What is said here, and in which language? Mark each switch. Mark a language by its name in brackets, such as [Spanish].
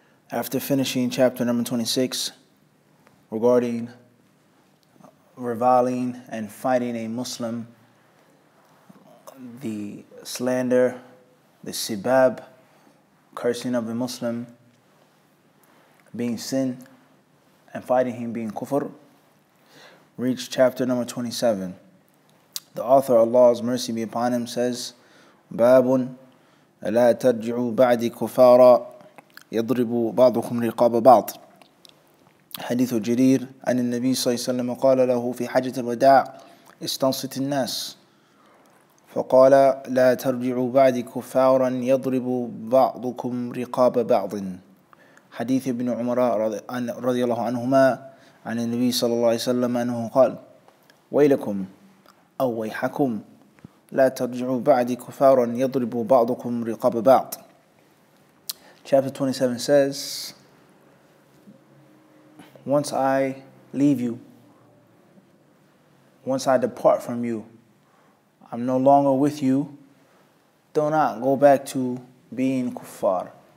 [English] After finishing chapter number 26 regarding reviling and fighting a Muslim, the slander, the sibab, cursing of a Muslim being sin and fighting him being kufr, reach chapter number 27. The author, Allah's mercy be upon him, says, [Arabic] بَابٌ أَلَا تَرْجِعُوا بَعْدِ كُفَارًا يَضْرِبُ بَعْضُكُمْ رِقَابَ بَعْضٍ. حديث جرير عن النبي صلى الله عليه وسلم قال له في حجة الوداع استنصت الناس فقال لا ترجعوا بعد كفارا يضرب بعضكم رقاب بعض. حديث ابن عمر رضي الله عنهما عن النبي صلى الله عليه وسلم أنه قال ويلكم أو ويحكم لا ترجعوا بعد كفارا يضرب بعضكم رقاب بعض. [English] Chapter 27 says, once I leave you, once I depart from you, I'm no longer with you, do not go back to being kuffar.